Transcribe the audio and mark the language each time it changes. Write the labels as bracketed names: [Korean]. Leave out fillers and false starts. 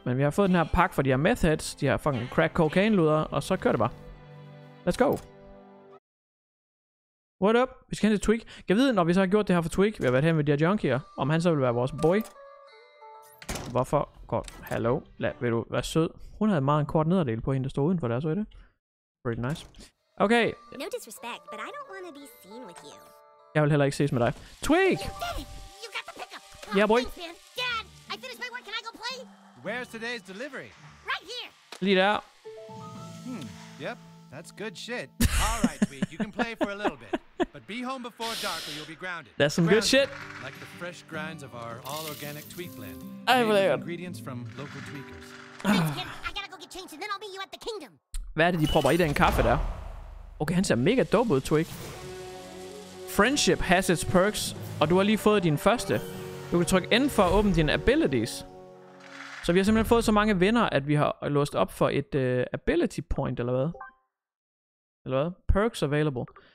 [Danish] Men vi har fået den her pakke for de her meth heads. De her fucking crack cocaine luder. Og så kører det bare. [English] Let's go. What up? [Danish] Vi skal hen til Twig. Jeg ved, når vi så har gjort det her for Twig. Vi har været hen med de her junkier. Om han så vil være vores boy. Hvorfor? Godt. Hallo. Vil du være sød? Hun havde meget en kort nederdel på hende, der stod udenfor der. Så er det. [English] Pretty nice. [Danish] Okay. [English] No disrespect, but I don't want to be seen with you. [Danish] Jeg vil heller ikke ses med dig. [English] Twig! You got the pickup. Oh, yeah, boy. Thanks, Dad, I finished my work. Can I go play? Where's today's delivery? Right here. [Danish] Lige der. [English] Yep, that's good shit. All right, Twig, you can play for a little bit. But be home before dark or you'll be grounded. That's some grounded, good shit. Like the fresh grinds of our all-organic Twig blend. I have ingredients from local tweakers. Thanks, kid. I gotta go get changed and then I'll meet you at the kingdom. [Danish] Hvad er det, de propper i den kaffe der? Okay, han ser mega dope ud, Twig. [English] Friendship has its perks, [Danish] og du har lige fået din første. Du kan trykke N for at åbne dine abilities. Så vi har simpelthen fået så mange venner, at vi har låst op for et ability point, eller hvad? Eller hvad? Perks available.